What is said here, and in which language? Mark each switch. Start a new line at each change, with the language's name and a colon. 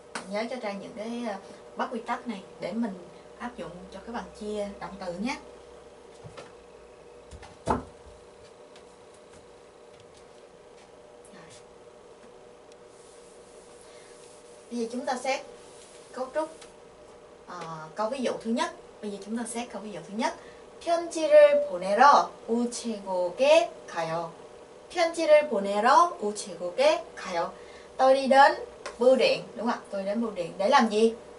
Vietnamese: Nhớ cho Trang những cái bất quy tắc này để mình áp dụng cho các bạn chia động từ nhé. Bây giờ chúng ta xét cấu trúc câu ví dụ thứ nhất. Bây giờ chúng ta xét câu ví dụ thứ nhất.
Korean: 편지를 보내러 우체국에 가요. 편지를 보내러 우체국에 가요.
Vietnamese: Tôi đi đến bưu điện, đúng không ạ? Tôi đi đến bưu điện để làm gì?